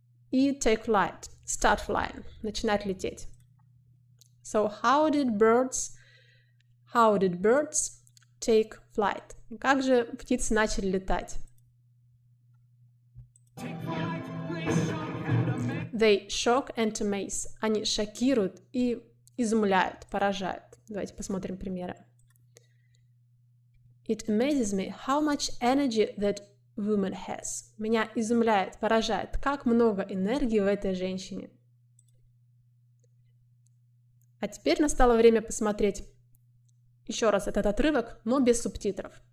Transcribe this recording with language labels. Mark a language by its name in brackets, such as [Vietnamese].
[English] И take flight. Start flying. [Russian] Начинает лететь. [English] So how did birds take flight? [Russian] Как же птицы начали летать? [English] They shock and amaze. [Russian] Они шокируют и изумляют, поражают. Давайте посмотрим примеры. [English] It amazes me how much energy that woman has. [Russian] Меня изумляет, поражает, как много энергии в этой женщине. А теперь настало время посмотреть еще раз этот отрывок, но без субтитров.